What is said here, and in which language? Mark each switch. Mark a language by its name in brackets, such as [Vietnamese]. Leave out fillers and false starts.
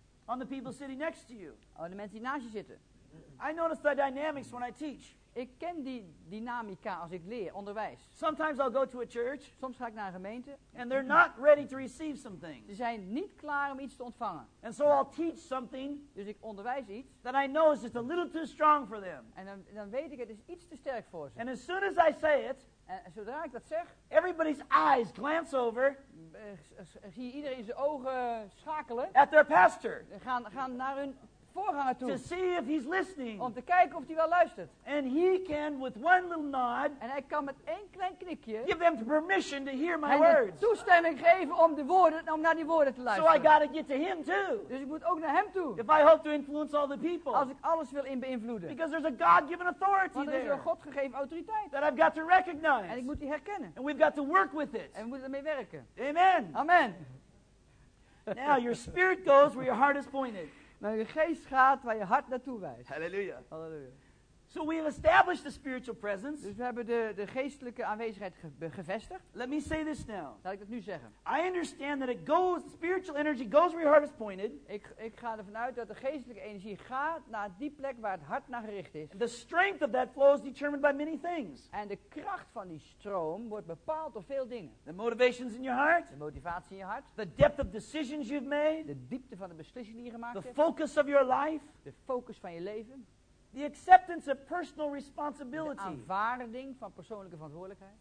[English] On the people sitting next to you. [Dutch] Oh, de mensen die naast je zitten. [English] I notice the dynamics when I teach. [Dutch] Ik ken die dynamica als ik leer, onderwijs. [English] Sometimes I'll go to a church. [Dutch] Soms ga ik naar een gemeente. [English] And they're not ready to receive something. [Dutch] Ze zijn niet klaar om iets te ontvangen. [English] And so I'll teach something. [Dutch] Dus ik onderwijs iets. [English] That I know is just a little too strong for them. [Dutch] En dan weet ik het is iets te sterk voor ze. [English] And as soon as I say it. [Dutch] En zodra ik dat zeg. [English] Everybody's eyes glance over. [Dutch] Zie iedereen zijn ogen schakelen. [English] At their pastor. [Dutch] Gaan naar hun voorganger toe. [English] To see if he's listening. [Dutch] Om te kijken of hij wel luistert. [English] And he can with one little nod. [Dutch] En hij kan met één klein knikje. [English] Give them permission to hear my words. [Dutch] En toestemming geven om naar die woorden te luisteren. [English] So I gotta get to him too. [Dutch] Dus ik moet ook naar hem toe. [English] If I hope to influence all the people. [Dutch] Als ik alles wil beïnvloeden. [English] Because there's a God-given authority there. [Dutch] Want er is een Godgegeven autoriteit. [English] That I've got to recognize. [Dutch] En ik moet die herkennen. [English] And we've got to work with it. [Dutch] En we moeten ermee werken. [English] Amen. [Dutch] Amen. [English] Now your spirit goes where your heart is pointed. [Dutch] Nou, je geest gaat waar je hart naartoe wijst. [English] Halleluja. [Dutch] Halleluja. [English] So we have established the spiritual presence. [Dutch] Dus we hebben de geestelijke aanwezigheid gevestigd. [English] Let me say this now. [Dutch] Laat ik dat nu zeggen. [English] I understand that it goes, spiritual energy goes where your heart is pointed. [Dutch] Ik ga ervan uit dat de geestelijke energie gaat naar die plek waar het hart naar gericht is. [English] The strength of that flow is determined by many things. [Dutch] En de kracht van die stroom wordt bepaald door veel dingen. [English] The motivations in your heart. [Dutch] De motivatie in je hart. [English] The depth of decisions you've made. [Dutch] De diepte van de beslissingen die je gemaakt [English] the [Dutch] hebt. [English] The focus of your life. [Dutch] De focus van je leven. [English] The acceptance of personal responsibility. [Dutch] De aanvaarding van persoonlijke verantwoordelijkheid.